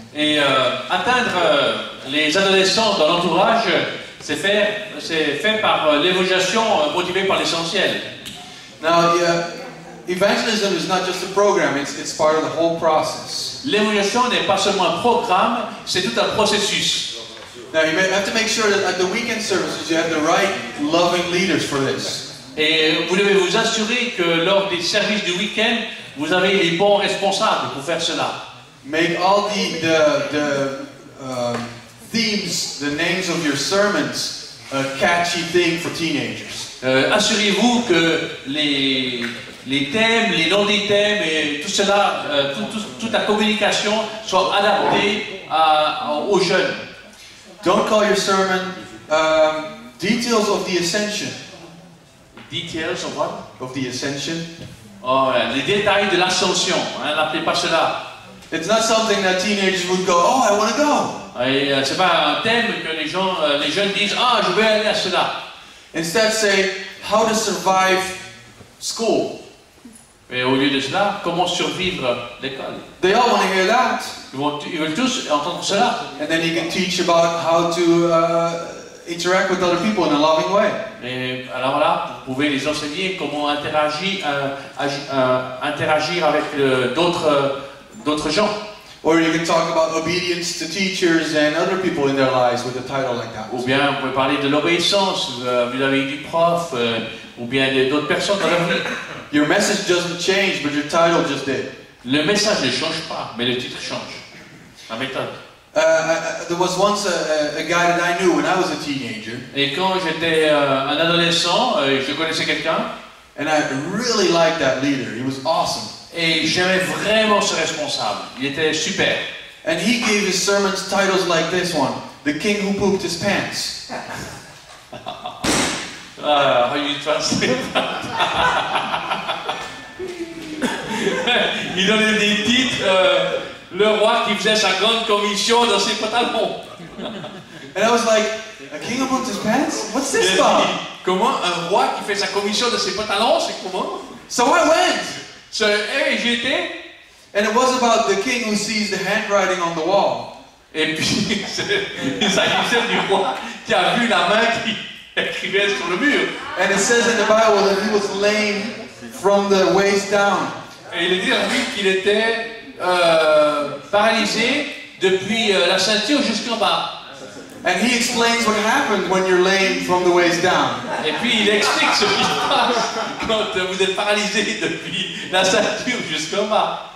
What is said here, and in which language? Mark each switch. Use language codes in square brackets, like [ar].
[fr] Et atteindre les adolescents dans l'entourage, c'est fait par l'évangélisation motivée par l'essentiel. [en] Now, evangelism is not just a program, it's part of the whole process. [fr] L'évangélisation n'est pas seulement un programme, c'est tout un processus. [en] Now you have to make sure that at the weekend services you have the right loving leaders for this. [fr] Et vous devez vous assurer que lors des services du week-end, vous avez les bons responsables pour faire cela. [en] Make all the themes, the names of your sermons, a catchy thing for teenagers. [fr] Assurez-vous que les thèmes, les noms des thèmes et tout cela, toute la communication soit adaptée aux jeunes. [en] Don't call your sermon details of the ascension. Details of what? Of the ascension. [fr] Oh, les détails de l'ascension. Hein, n'appelez pas cela. [en] It's not something that teenagers would go, oh, I want to go. [fr] C'est pas un thème que les jeunes disent, ah, je veux aller à cela. [en] Instead, say, how to survive school. [fr] Et au lieu de cela, comment survivre l'école? [en] They all want to hear that. [fr] Ils veulent tous entendre cela. [en] And then you can teach about how to interact with other people in a loving way. [fr] Et alors là, vous pouvez les enseigner comment interagir avec d'autres gens. [en] Or you can talk about obedience to teachers and other people in their lives with a title like that. [fr] Ou bien vous pouvez parler de l'obéissance vis-à-vis du prof ou bien d'autres personnes dans leur vie. [en] Your message doesn't change, but your title just did. [fr] Le message ne change pas, mais le titre change. La méthode. [en] There was once a guy that I knew when I was a teenager. [fr] Et quand j'étais un adolescent, je connaissais quelqu'un. [en] And I really liked that leader. He was awesome. [fr] Et j'aimais vraiment ce responsable. Il était super. [en] And he gave his sermons titles like this one: "The King Who Pooped His Pants." How you translate that? [fr] Il donnait des titres le roi qui faisait sa grande commission dans ses pantalons. [en] And I was like, a king who pooped his pants? What's this about? [fr] Comment un roi qui fait sa commission dans ses pantalons, c'est comment? [en] So I went. [fr] So, et j'y étais. [en] And it was about the king who sees the handwriting on the wall. [fr] Et puis ça disait du roi qui a vu la main qui écrivait sur le mur. [en] And it says in the Bible that he was lame from the waist down. [fr] Et il a dit à lui qu'il était paralysé depuis la ceinture jusqu'en bas. [en] And he explains what happens when you're lame from the waist down. [fr] Et puis il explique ce qui se passe quand vous êtes paralysé depuis la ceinture jusqu'en bas.